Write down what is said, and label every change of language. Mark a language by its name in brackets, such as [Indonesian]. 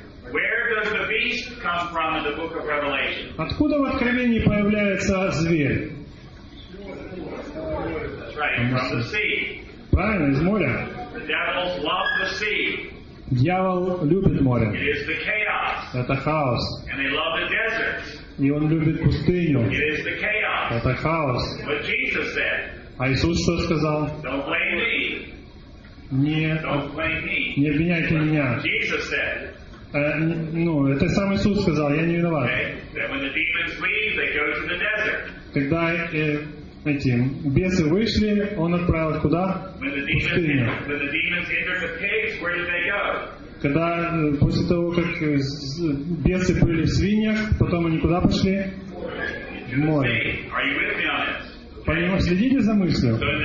[English] Where does the beast come from in the book of Revelation? [Russian] Откуда в Откровении появляется зверь? [English] That's right. From the sea. [Russian] Правильно, из моря. [English] The devils love the sea. [Russian] Дьявол любит море. [English] It is the chaos. [Russian] Это хаос. [English] And they love the deserts. [Russian] И он любит пустыню. [English] It is the chaos. [Russian] Это хаос. [English] But Jesus said, [Russian] а Иисус что сказал? [English] Don't blame me. [Russian] Не обвиняйте меня. [English] Jesus said, [Russian] это сам Иисус сказал, я не виноват. [English] Okay? That when the demons leave, they go to the desert. [Russian] Когда эти бесы вышли, он отправил их куда? Пустыню. [English] When the demons enter the pigs, where did they go? [Russian] Когда после того, как бесы были в свиньях, потом они куда пошли? В море. Понимаете, следите за мыслью.